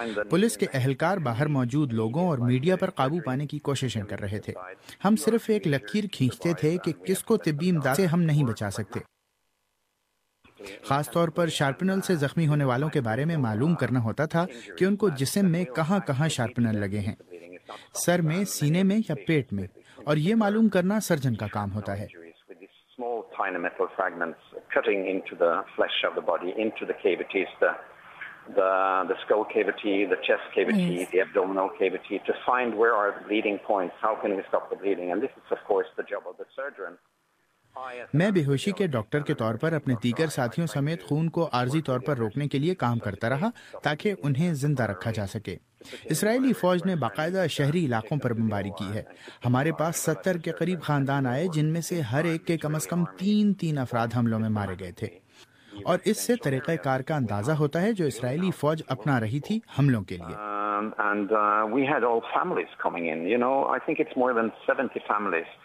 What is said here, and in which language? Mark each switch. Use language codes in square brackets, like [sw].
[ur] Police کے اہلکار باہر موجود لوگوں اور میڈیا پر قابو پانے کی کوششیں کر رہے تھے۔ ہم صرف ایک لکیر کھینچتے تھے کہ کس کو طبی امداد سے ہم نہیں بچا سکتے۔ خاص طور پر شارپنل سے زخمی ہونے والوں کے بارے میں معلوم کرنا ہوتا تھا کہ ان کو جسم میں کہاں کہاں شارپنل لگے ہیں، سر میں، سینے میں یا پیٹ میں، اور یہ معلوم کرنا سرجن کا کام ہوتا ہے۔ [en] small tiny metal fragments cutting into the flesh of the body, into the cavities, the skull cavity, the chest cavity, yes. the abdominal cavity, to find where are the bleeding points, how can we stop the bleeding, and this is of course the job of the surgeon. [ur] میں بے ہوشی کے doctor کے طور پر اپنے دیگر ساتھیوں سمیت خون کو عارضی طور پر روکنے کے لیے کام کرتا رہا تاکہ انہیں زندہ رکھا جا سکے۔ اسرائیلی فوج نے باقاعدہ شہری علاقوں پر بمباری کی ہے۔ ہمارے پاس 70 کے قریب خاندان آئے جن میں سے ہر ایک کے کم از کم 3 افراد حملوں میں مارے گئے تھے، اور اس سے طریقہ کار کا اندازہ ہوتا ہے جو اسرائیلی فوج اپنا رہی تھی حملوں کے لیے۔